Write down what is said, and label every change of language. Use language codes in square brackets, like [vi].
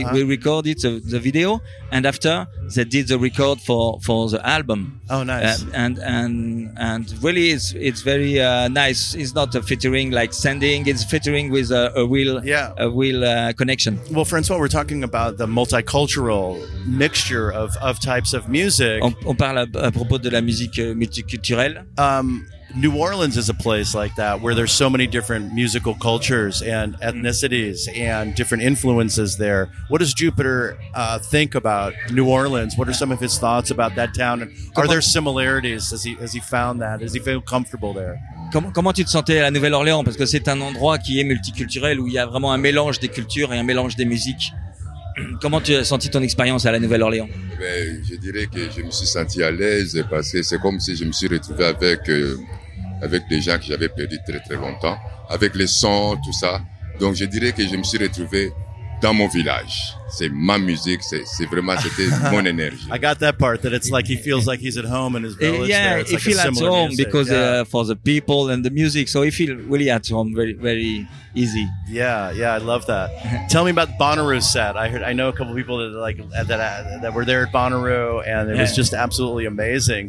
[en] uh-huh. We record it the video, and after they did the record for the album. Oh, nice. And really, it's very nice. It's not a featuring like sending. It's featuring with a real connection. Well, Francois, we're talking about the multicultural mixture of types of music. [fr] On parle à propos de la musique multiculturelle. [en] New Orleans is a place like that where there's so many different musical cultures and ethnicities and different influences there. What does Jupiter think about New Orleans? What are some of his thoughts about that town? And are there similarities? Has he found that? Does he feel comfortable there? [fr] Comment tu te sentais à la Nouvelle-Orléans? Parce que c'est un endroit qui est multiculturel où il y a vraiment un mélange des cultures et un mélange des musiques. Comment tu as senti ton expérience à la Nouvelle-Orléans? Ben, je dirais que je me suis senti à l'aise parce que c'est comme si je me suis retrouvé avec des gens que j'avais perdu très très longtemps, avec les sons, tout ça. Donc je dirais que je me suis retrouvé dans mon village. C'est ma musique, c'est vraiment, c'était mon énergie. [en] I got that part, that it's like he feels like he's at home in his village. Yeah, there. He feels at home music. Because for the people and the music, so he feels really at home, very, very easy. Yeah, I love that. Tell me about the Bonnaroo set. I know a couple of people that were there at Bonnaroo, and it was just absolutely amazing.